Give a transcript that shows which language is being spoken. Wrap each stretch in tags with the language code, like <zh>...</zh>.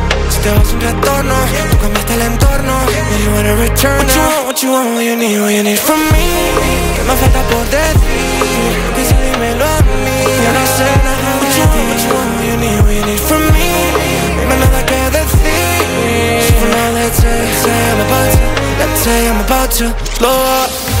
<es>Si te vas un retorno, tú cambiaste el entorno.</es> <en>And you wanna return now. What you want, what you need from me.</en> <es>Que me falta por decir, piensa dímelo a mí. Yo no sé nada de ti.</es> <en>What you want, what you need from me.</en> <es>Dime nada que decir.</es> <en>So now Let's say I'm about to blow up.</en>